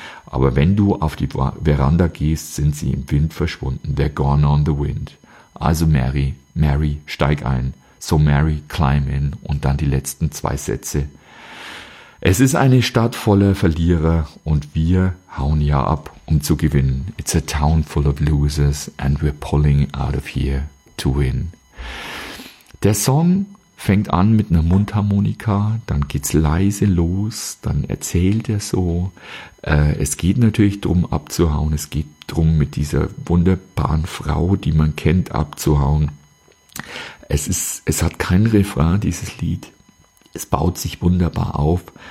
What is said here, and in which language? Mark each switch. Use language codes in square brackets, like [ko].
[de] Aber wenn du auf die Veranda gehst, sind sie im Wind verschwunden. [en] They're gone on the wind. [de] Also Mary, steig ein. [en] So Mary, climb in. [de] Und dann die letzten zwei Sätze. Es ist eine Stadt voller Verlierer und wir hauen ja ab, um zu gewinnen. [en] It's a town full of losers and we're pulling out of here to win. [de] Der Song fängt an mit einer Mundharmonika, dann geht's leise los, dann erzählt er so. Es geht natürlich drum abzuhauen, es geht drum mit dieser wunderbaren Frau, die man kennt, abzuhauen. Es hat kein Refrain, dieses Lied. Es baut sich wunderbar auf.